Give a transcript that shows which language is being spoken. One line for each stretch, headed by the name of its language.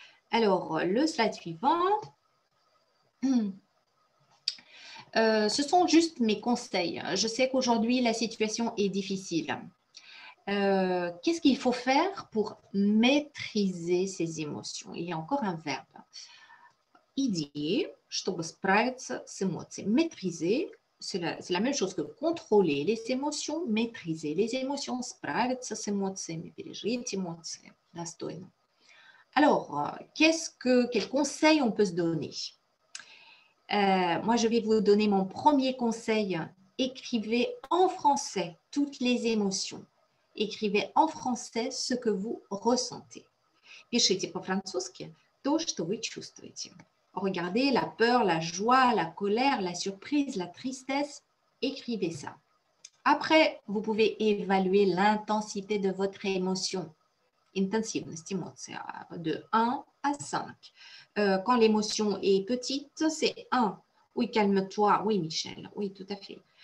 French: Alors, le slide suivant, ce sont juste mes conseils. Je sais qu'aujourd'hui, la situation est difficile. Qu'est-ce qu'il faut faire pour maîtriser ses émotions? Il y a encore un verbe.
Russian: Идеи, чтобы справиться с эмоциями.
French: Maîtriser, c'est la même chose que contrôler les émotions, maîtriser les émotions,
Russian: справиться с эмоциями, пережить эмоции, достойно.
French: Alors, quel conseil on peut se donner? Moi, je vais vous donner mon premier conseil. Écrivez en français toutes les émotions. Écrivez en français ce que vous ressentez.
Russian: Пишите по-французски то, что вы чувствуете.
French: Regardez la peur, la joie, la colère, la surprise, la tristesse. Écrivez ça. Après, vous pouvez évaluer l'intensité de votre émotion. Intensivness, émotion, de 1 à 5. Quand l'émotion est petite, c'est 1. Oui, calme-toi. Oui, Michel. Oui, tout à fait.